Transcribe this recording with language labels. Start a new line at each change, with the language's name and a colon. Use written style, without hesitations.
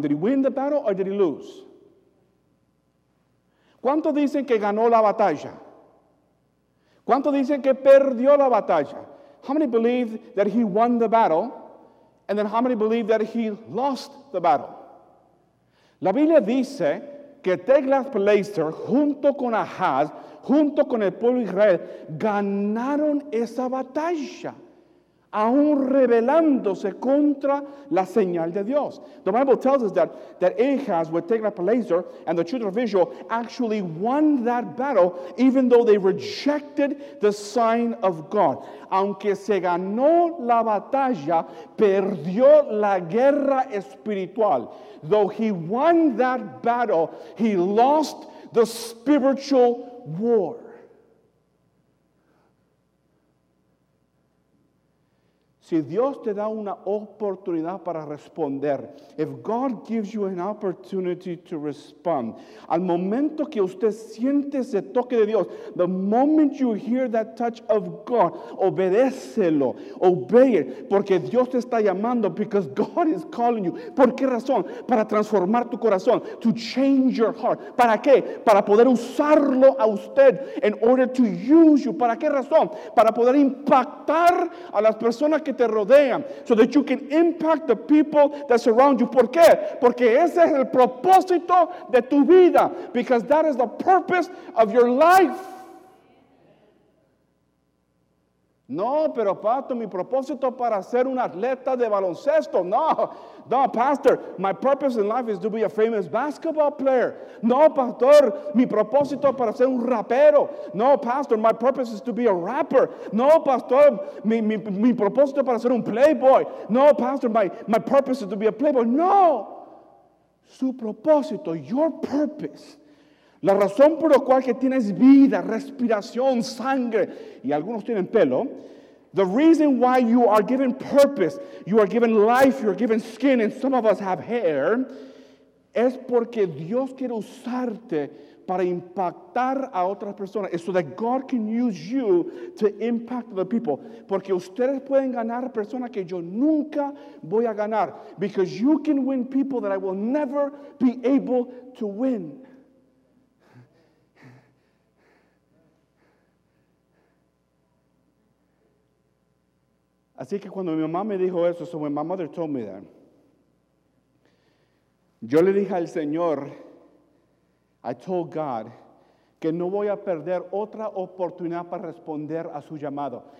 English: Did he win the battle or did he lose?
Spanish: ¿Cuántos dicen que ganó la batalla? ¿Cuántos dicen que perdió la batalla?
English: How many believe that he won the battle? And then how many believe that he lost the battle?
Spanish: La Biblia dice que Tiglath-Pileser, junto con Ahaz, junto con el pueblo de Israel, ganaron esa batalla, aún rebelándose contra la señal de Dios.
English: The Bible tells us that Ahaz with Tiglath-Pileser and the children of Israel actually won that battle even though they rejected the sign of God.
Spanish: Aunque se ganó la batalla, perdió la guerra espiritual.
English: Though he won that battle, he lost the spiritual war.
Spanish: Si Dios te da una oportunidad para responder,
English: if God gives you an opportunity to respond,
Spanish: al momento que usted siente ese toque de Dios,
English: the moment you hear that touch of God,
Spanish: obedécelo,
English: obey it,
Spanish: porque Dios te está llamando,
English: because God is calling you.
Spanish: ¿Por qué razón? Para transformar tu corazón,
English: to change your heart.
Spanish: ¿Para qué? Para poder usarlo a usted,
English: in order to use you.
Spanish: ¿Para qué razón? Para poder impactar a las personas que te rodean,
English: so that you can impact the people that surround you.
Spanish: ¿Por qué? Porque ese es el propósito de tu vida.
English: Because that is the purpose of your life.
Spanish: No, pero pastor, mi propósito para ser un atleta de baloncesto.
English: No, pastor, my purpose in life is to be a famous basketball player.
Spanish: No, pastor, mi propósito para ser un rapero. No, pastor, my purpose is to be a rapper. No, pastor, mi propósito para ser un playboy.
English: No, pastor, my purpose is to be a playboy.
Spanish: No, su propósito,
English: your purpose,
Spanish: la razón por la cual que tienes vida, respiración, sangre, y algunos tienen pelo,
English: the reason why you are given purpose, you are given life, you are given skin, and some of us have hair,
Spanish: es porque Dios quiere usarte para impactar a otras personas.
English: So that God can use you to impact the people.
Spanish: Porque ustedes pueden ganar personas que yo nunca voy a ganar.
English: Because you can win people that I will never be able to win.
Spanish: Así que cuando mi mamá me dijo eso,
English: so when my mother told me that,
Spanish: yo le dije al Señor,
English: I told God
Spanish: que no voy a perder otra oportunidad para responder a su llamado.